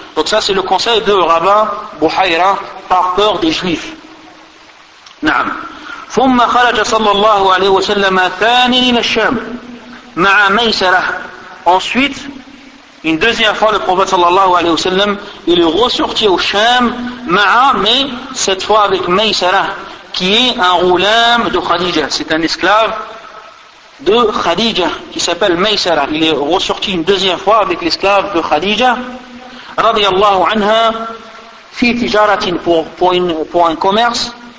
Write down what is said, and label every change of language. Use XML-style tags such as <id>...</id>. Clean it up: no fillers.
<fr>Donc ça c'est le conseil de rabbin Buhayra par peur des juifs.</fr> <ar>N'a'am. ثم خرج صلى الله عليه وسلم ثاني الى الشام مع ميسرة.</ar> <fr>Ensuite, une deuxième fois, le prophète صلى الله عليه وسلم il est ressorti au Sham, mais cette fois avec ميسرة, qui est un غلام de Khadija, c'est un esclave de Khadija qui s'appelle ميسرة. Il est ressorti une deuxième fois avec l'esclave de Khadija</fr> <ar>رضي الله عنها في تجارة,</ar> <fr>pour un commerce.</fr>